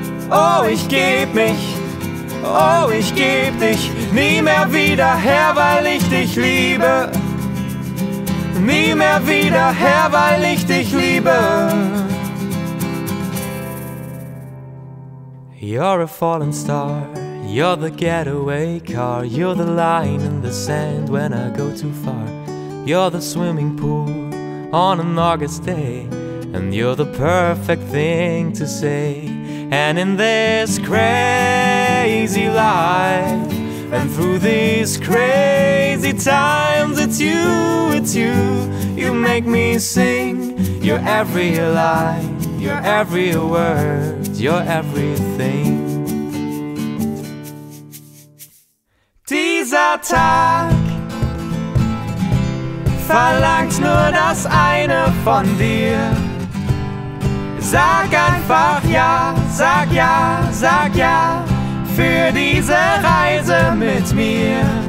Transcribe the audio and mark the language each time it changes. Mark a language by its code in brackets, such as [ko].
[de] Oh, ich geb mich, oh, ich geb dich nie mehr wieder her, weil ich dich liebe. Nie mehr wieder her, weil ich dich liebe. [en] You're a fallen star, you're the getaway car, you're the line in the sand when I go too far. You're the swimming pool on an August day, and you're the perfect thing to say. And in this crazy life, and through these crazy times, it's you, you make me sing. You're every line, you're every word, you're everything. [de] Dieser Tag verlangt nur das eine von dir. Sag einfach ja, sag ja, sag ja für diese Reise mit mir.